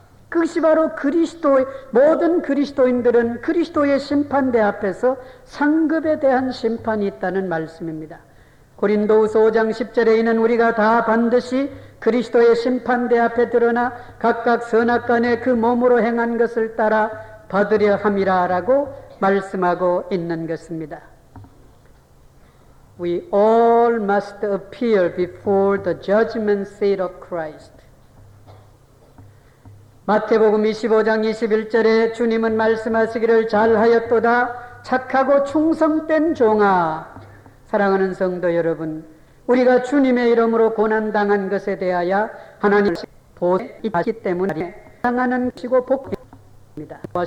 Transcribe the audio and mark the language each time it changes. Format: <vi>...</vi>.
<ko>그것이 바로 그리스도의, 모든 그리스도인들은 그리스도의 심판대 앞에서 상급에 대한 심판이 있다는 말씀입니다. 고린도후서 5장 10절에 있는 우리가 다 반드시 그리스도의 심판대 앞에 드러나 각각 선악간에 그 몸으로 행한 것을 따라 받으려 함이라 라고 말씀하고 있는 것입니다.</ko> <en>We all must appear before the judgment seat of Christ.</en> <ko>마태복음 25장 21절에 주님은 말씀하시기를 잘하였도다 착하고 충성된 종아. 사랑하는 성도 여러분, 우리가 주님의 이름으로 고난당한 것에 대하여 하나님의 보상이 있기 때문에 당하는 것이고 복입니다.</ko>